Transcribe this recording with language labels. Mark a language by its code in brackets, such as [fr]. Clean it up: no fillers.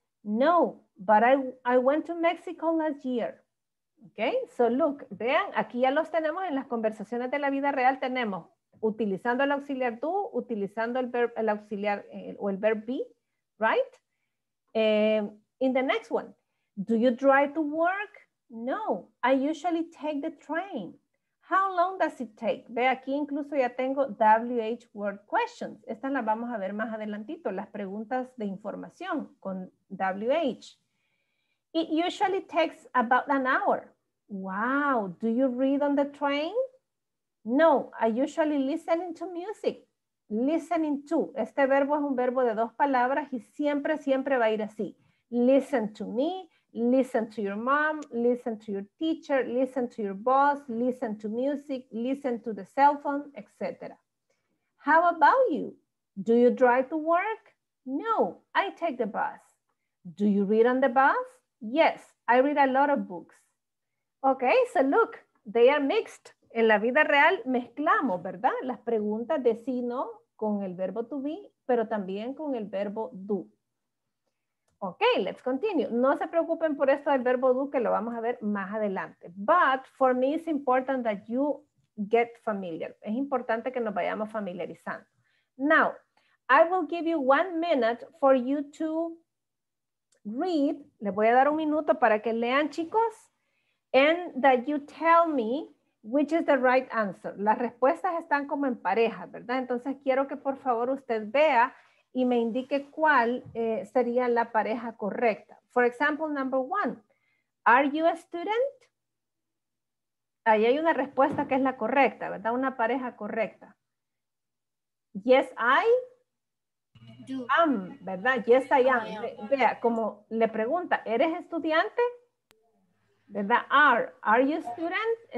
[en] No, but I went to Mexico last year. Ok, so look, [es] vean, aquí ya los tenemos en las conversaciones de la vida real, tenemos utilizando el auxiliar do, utilizando el verb be, [en] right? In the next one, do you drive to work? No, I usually take the train. How long does it take? [es] Ve, aquí incluso ya tengo WH word questions. Estas las vamos a ver más adelantito, las preguntas de información con WH. [en] It usually takes about an hour. Wow, do you read on the train? No, I usually listen to music. Listening to, [es] este verbo es un verbo de dos palabras y siempre, siempre va a ir así. [en] Listen to me, listen to your mom, listen to your teacher, listen to your boss, listen to music, listen to the cell phone, etc. How about you? Do you drive to work? No, I take the bus. Do you read on the bus? Yes, I read a lot of books. Okay, so look, they are mixed. [es] En la vida real mezclamos, ¿verdad? Las preguntas de sí, no, con el verbo to be, pero también con el verbo do. [en] Ok, let's continue. [es] No se preocupen por esto del verbo do, que lo vamos a ver más adelante. [en] But for me it's important that you get familiar. [es] Es importante que nos vayamos familiarizando. [en] Now, I will give you 1 minute for you to read. [es] Les voy a dar un minuto para que lean, chicos. [en] And that you tell me which is the right answer. [es] Las respuestas están como en pareja, ¿verdad? Entonces quiero que por favor usted vea y me indique cuál sería la pareja correcta. [en] For example, number one, are you a student? [es] Ahí hay una respuesta que es la correcta, ¿verdad? Una pareja correcta. [en] Yes, I am, [es] ¿verdad? [en] Yes, I am. [es] Vea, como le pregunta, ¿eres estudiante? ¿Verdad? [en] Are you a student?